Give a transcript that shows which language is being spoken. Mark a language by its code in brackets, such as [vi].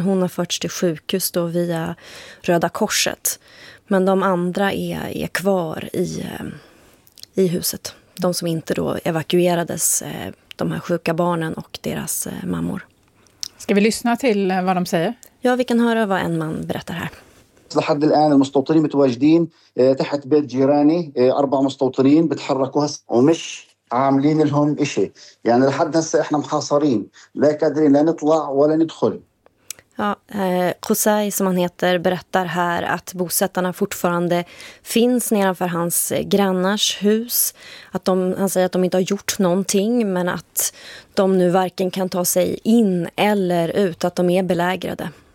[sv] Hon har förts till sjukhus då via Röda Korset. Men de andra är kvar i huset. De som inte då evakuerades, de här sjuka barnen och deras mammor. Ska vi lyssna till vad de säger? Ja, vi kan höra vad en man berättar här. [ar] لحد الان المستوطنين متواجدين تحت بيت جيراني 4 مستوطنين بتحركوا هسه ومش عاملين لهم شيء يعني لحد هسه احنا محاصرين لا قادرين لا نطلع ولا ندخل. [sv] Ja, Khosai som han heter berättar här att bosättarna fortfarande finns nedanför hans grannars hus. Han säger att de inte har gjort någonting men att de nu varken kan ta sig in eller ut, att de är belägrade.